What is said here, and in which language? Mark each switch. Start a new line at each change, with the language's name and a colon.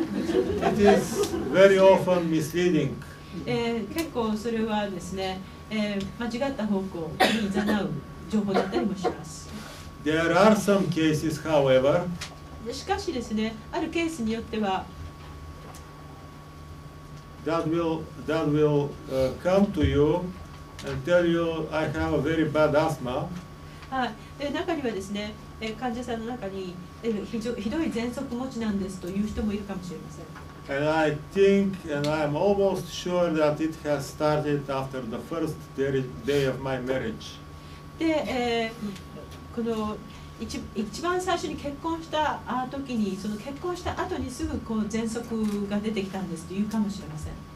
English: It is very often misleading.
Japanese: 結構それはですね、間違った方向に誘う情報だったりもします。
English: There are some cases, however.
Japanese: しかしですね、あるケースによっては、
English: That will come to you and tell you I have a very bad asthma.
Japanese: はい。中にはですね、患者さんの中にひどい喘息持ちなんですという人もいるかもしれません。
English: And I think and I'm almost sure that it has started after the first day of my marriage.
Japanese: で、この一番最初に結婚した時に、その結婚した後にすぐこう喘息が出てきたんですというかもしれません。